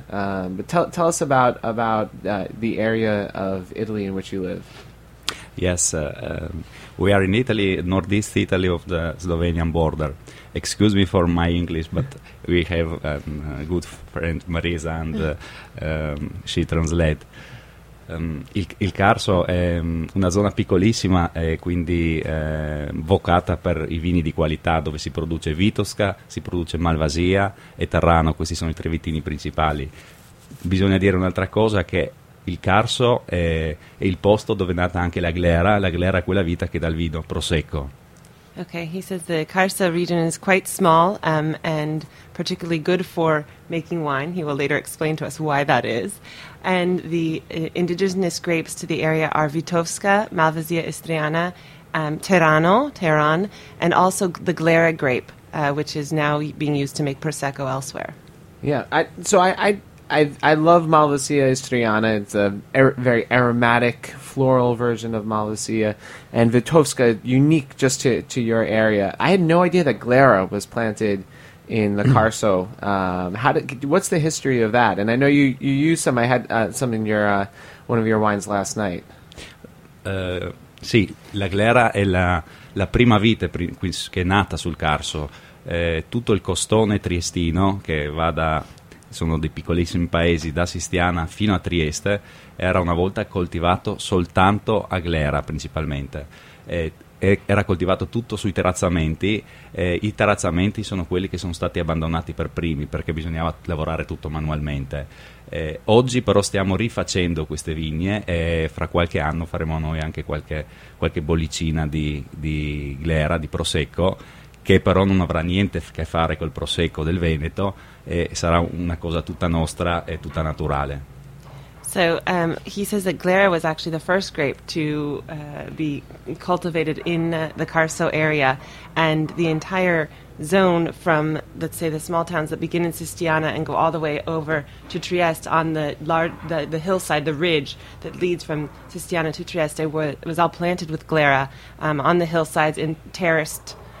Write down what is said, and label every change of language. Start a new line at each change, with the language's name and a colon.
English: But tell us about the area of Italy in which you live. Yes, we are in Italy, northeast Italy of the Slovenian border. Excuse me for my English, but we have a good friend, Marisa, and she translates.
Italian: Il Carso è una zona piccolissima e quindi vocata per i vini di qualità, dove si produce Vitosca, si produce Malvasia e Tarrano, questi sono i tre vitini principali. Bisogna dire un'altra cosa, che il Carso è il posto dove è nata anche la glera è quella vita che dà il vino prosecco.
English: Okay, he says the Carso region is quite small and particularly good for making wine. He will later explain to us why that is. And the indigenous grapes to the area are Vitovska, Malvasia Istriana, Teran, and also the Glera grape, which is now being used to make Prosecco elsewhere. Yeah, I I love Malvasia Istriana. It's a very aromatic floral version of Malvasia, and Vitovska, unique just to your area. I had no idea that Glera was planted in the Carso. What's the history of that? And I know you used some. I had some in your one of your wines last night.
Italian: Sì, la Glera è la prima vite che è nata sul Carso. Tutto il costone triestino che va da, sono dei piccolissimi paesi, da Sistiana fino a Trieste, era una volta coltivato soltanto a Glera principalmente. Era coltivato tutto sui terrazzamenti. I terrazzamenti sono quelli che sono stati abbandonati per primi perché bisognava lavorare tutto manualmente. Oggi però stiamo rifacendo queste vigne e fra qualche anno faremo noi anche qualche bollicina di Glera, di Prosecco, che però non avrà niente a che fare col Prosecco del Veneto e sarà una cosa tutta nostra e tutta naturale.
English: So he says that Glera was actually the first grape to be cultivated in the Carso area, and the entire zone from, let's say, the small towns that begin in Sistiana and go all the way over to Trieste on the hillside, the ridge that leads from Sistiana to Trieste was all planted with Glera on the hillsides in terraced